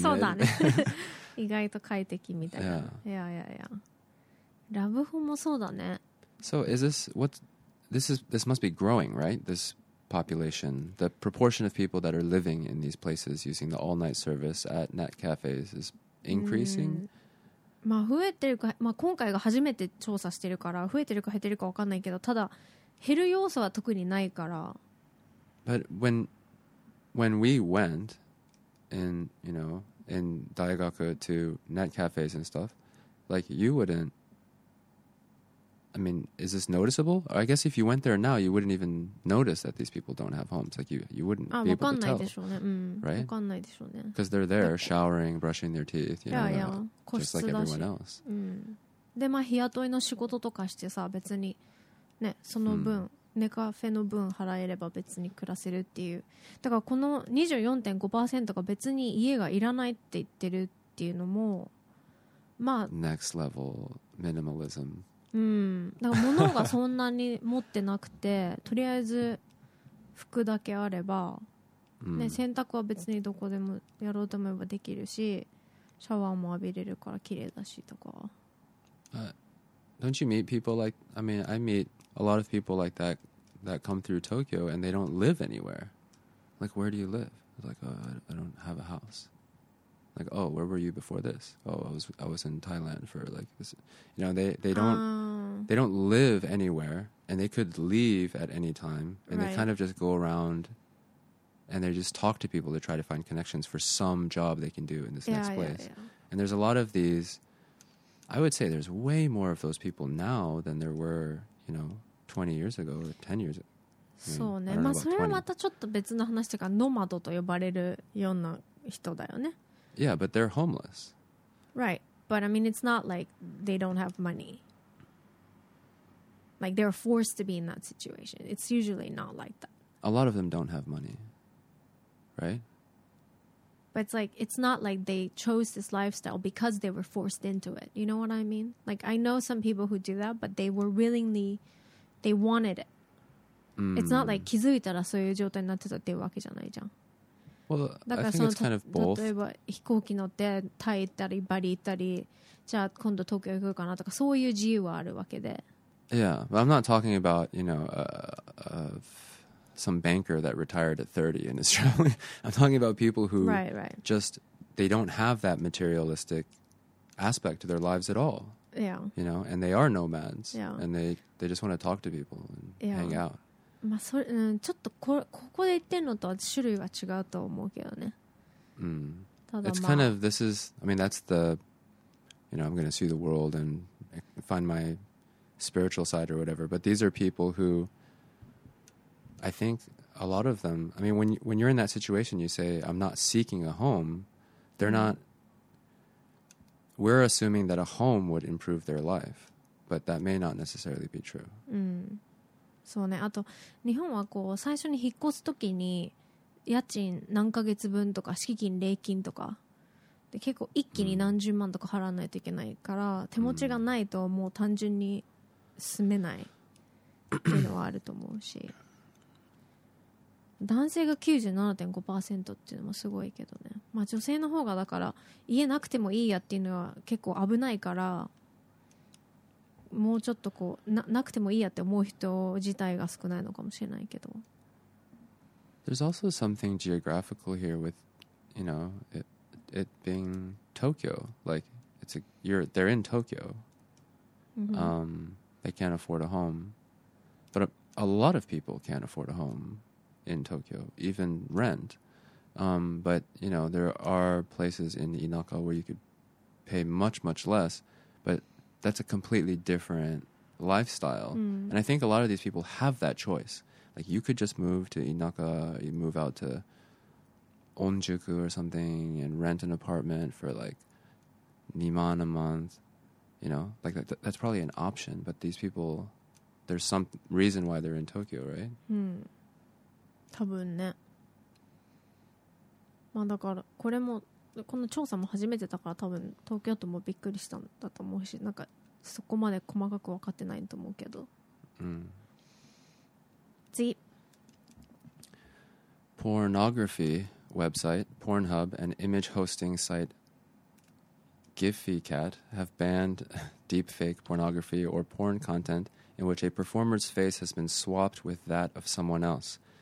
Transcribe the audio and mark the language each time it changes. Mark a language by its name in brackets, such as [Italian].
[Japanese] そうだね。意外と快適みたいな。 [English] Yeah. [Japanese] ラブホもそうだね。 [English] So is this This must be growing, right? This population, the proportion of people that are living in these places using the all-night service at net cafes is increasing. [Japanese] まあ増えてるか、まあ今回が初めて調査してるから増えてるか減ってるか分かんないけど、ただ減る要素は特にないから。 [English] But when we went in, you know, in Daigaku to net cafes and stuff, like you wouldn't. I mean, is this noticeable? I guess if you went there now, you wouldn't even notice that these people don't have homes. Like, you wouldn't be able to tell. [Japanese] わかんないでしょうね。 [English] Right? [Japanese] わかんないでしょうね。 [English] Because they're there, showering, brushing their teeth, you know, just like everyone else. [Japanese] で、まあ、日雇いの仕事とかしてさ、別に、ね、その分、ネカフェの分払えれば別に暮らせるっていう。だからこの 24.5% が別に家がいらないって言ってるっていうのも、まあ [English] next level minimalism。 [Japanese] うん、だから物がそんなに持ってなくてとりあえず服だけあれば、ね、洗濯は別にどこでもやろうと思えばできるし、シャワーも浴びれるから綺麗だしとか。 [English] Don't you meet people like, I mean, I meet a lot of people like that that come through Tokyo and they don't live anywhere. Like, where do you live? Like, oh, I don't have a house. Like, oh, where were you before this? Oh, I was in Thailand for like this. You know, they don't live anywhere and they could leave at any time. And right. They kind of just go around and they just talk to people to try to find connections for some job they can do in this next place. Yeah, yeah. And there's a lot of these. I would say there's way more of those people now than there were, you know, 20 years ago or 10 years ago. [Japanese] そうね。まあそれはまたちょっと別の話とか、ノマドと呼ばれるような人だよね。 [English] Yeah, but they're homeless. Right. But I mean, it's not like they don't have money. Like they're forced to be in that situation. It's usually not like that. A lot of them don't have money. Right? But it's like, it's not like they chose this lifestyle because they were forced into it. You know what I mean? Like, I know some people who do that, but they were willingly, they wanted it. [Japanese] Mm. [English] It's not like, [Japanese] 気づいたらそういう状態になってたっていうわけじゃないじゃん。 [English] Well, [Japanese] だからその、 [English] I think it's kind of both. [Japanese] 例えば、飛行機乗って、タイ行ったり、バリ行ったり、じゃあ今度東京行くかなとか、そういう自由はあるわけで。 [English] Yeah, but I'm not talking about, you know, some banker that retired at 30 and is traveling. I'm talking about people who right. just, they don't have that materialistic aspect to their lives at all. Yeah. You know, and they are nomads. Yeah. And they just want to talk to people and hang out. [Japanese] まあそれ、うん、ちょっとここで言ってるのとは種類は違うと思うけどね。 Mm. [English] It's kind of, this is, I mean, that's the, you know, I'm going to see the world and find my spiritual side or whatever, but these are people who I think a lot of them, I mean, when you're in that situation, you say, I'm not seeking a home, they're not, we're assuming that a home would improve their life, but that may not necessarily be true. [Japanese] うん、そうね。あと、日本はこう、最初に引っ越すときに、家賃何ヶ月分とか、敷金、礼金とか、で結構一気に何十万とか払わないといけないから、うん、手持ちがないともう単純に住めないっていうのはあると思うし。男性が 97.5% っていうのもすごいけどね。まあ女性の方がだから家なくてもいいやっていうのは結構危ないから、もうちょっとこう なくてもいいやって思う人自体が少ないのかもしれないけど。 [English] There's also something geographical here with, you know, it being Tokyo. Like, they're in Tokyo. They can't afford a home. But a lot of people can't afford a homeIn Tokyo, even rent. But, you know, there are places in Inaka where you could pay much, much less, but that's a completely different lifestyle. Mm. And I think a lot of these people have that choice. Like, you could just move to Inaka, you move out to Onjuku or something and rent an apartment for like 2万 a month, you know, like that's probably an option, but these people, there's some reason why they're in Tokyo, right? [Japanese] Mm. 多分ね。まあだからこれもこの調査も初めてだから、多分東京都もびっくりしたんだと思うし、なんかそこまで細かく分かってないと思うけど。次。 [English] Pornography website Pornhub and image hosting site GiffyCat have banned deepfake pornography or porn content in which a performer's face has been swapped with that of someone else.